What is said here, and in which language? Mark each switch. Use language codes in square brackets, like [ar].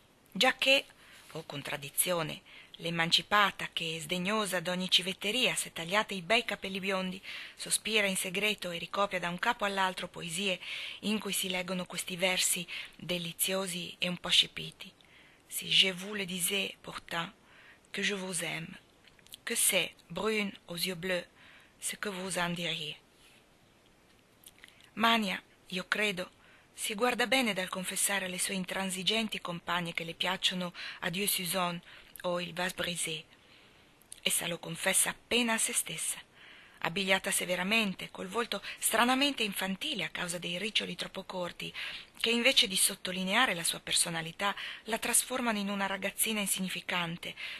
[it] Già che, contraddizione, l'emancipata che, sdegnosa d'ogni civetteria, si è tagliata i bei capelli biondi, sospira in segreto e ricopia da un capo all'altro poesie in cui si leggono questi versi deliziosi e un po' scipiti. [fr] Si je vous le disais pourtant, que je vous aime, que c'est, brune aux yeux bleus, ce que vous en diriez. [it] Mania, io credo, si guarda bene dal confessare alle sue intransigenti compagne che le piacciono Adieu Suzanne o il Vase Brisé. Essa lo confessa appena a se stessa, abbigliata severamente, col volto stranamente infantile a causa dei riccioli troppo corti, che invece di sottolineare la sua personalità la trasformano in una ragazzina insignificante.